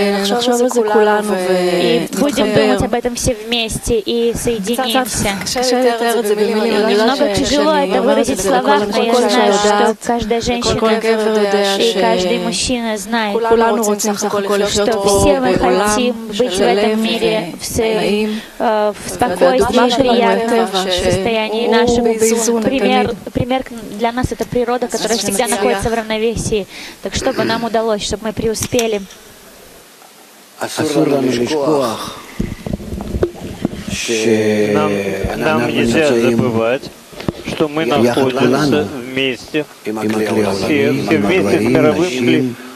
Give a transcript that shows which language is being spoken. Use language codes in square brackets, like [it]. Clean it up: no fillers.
[he] ונחשוב על זה כולנו, ונתחבר. [ru] Будем думать об этом все вместе и соединимся. [he] קשה לתאר את זה במילים, אני יודעת שאני אומרת את זה לכל אנשים שיודעת, לכל גבר יודע, [ru] каждая женщина и мужчина знает, [he] כולנו רוצים סך הכל לחיות פה בעולם שלם ונעים, והדוגמה שלנו היא הטבע, שהוא באיזון תמיד. [ru] Пример для нас это природа, которая всегда находится в равновесии, так чтобы нам удалось, чтобы мы преуспели. Нам нельзя забывать, что мы находимся вместе, все вместе с мировым